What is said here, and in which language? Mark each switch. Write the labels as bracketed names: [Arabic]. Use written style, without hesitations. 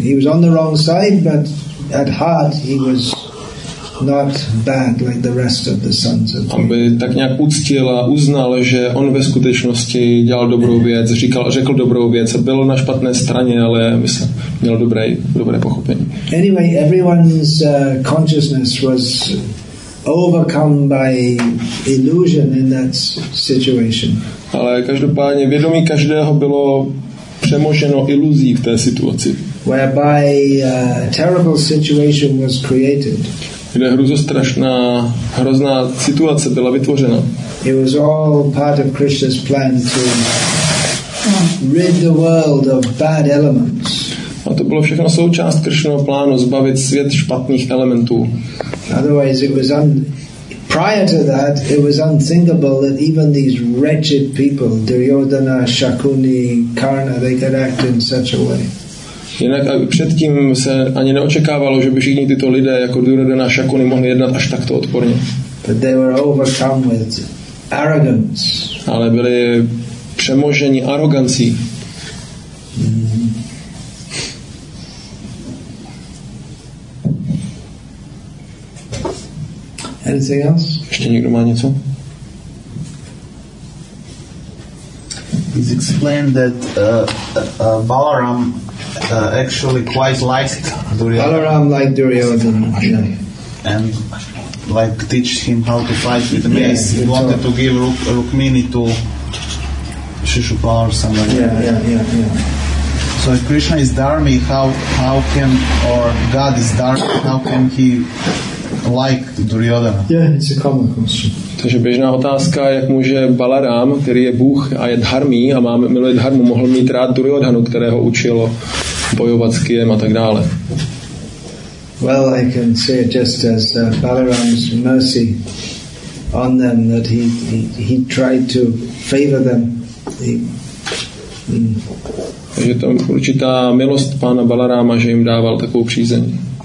[English] He was on the wrong side, but at heart he was not bad like the rest of the sons of. [Czech] Aby tak nějak uctil a uznal, že on ve skutečnosti dělal dobrou věc, řekl dobrou věc, bylo na špatné straně, ale myslím, měl dobré pochopení. [English] Anyway, everyone's consciousness was overcome by illusion in that situation. [Czech] Ale každopádně vědomí každého bylo přemoženo iluzí v té situaci. [English] Whereby a terrible situation was created. [Czech] Kde hrozostrašná, hrozná situace byla vytvořena. [English] It was all part of Krishna's plan to rid the world of bad elements. [Czech] A to bylo všechno součást Krishnova plánu zbavit svět špatných elementů. [English] Otherwise it was prior to that it was unthinkable that even these wretched people, Duryodhana, Shakuni, Karna, they could act in such a way. [Czech] Jinak předtím se ani neočekávalo, že by všichni tyto lidé jako Duryodhana a Shakuni mohli jednat až takto odporně. [English] But they were overcome with arrogance. [Czech] Ale byli přemoženi arogancí. [English] Anything else? [Czech] Ještě někdo má něco? [English] He's explained that Balaram actually quite liked Duryodhana. Balaram liked Duryodhana. And like teach him how to fight with the mace. Yeah, he wanted to give Rukmini to Shishupala or somebody. Yeah. So if Krishna is dharmi, how can, or God is dharmi, how can he like Duryodhana? Yeah, it's a common question. [Czech] Takže běžná otázka, jak může Balaram, který je Bůh a je dharmi a má miluje dharmu, mohl mít rád Duryodhanu, kterého učilo bojovat s kyjem a tak dále. [English] Well, I can say it just as Balaram's mercy on them, that he tried to favor them. [Czech] Takže tam určitá milost pána Balaráma, že jim dával takovou přízeň.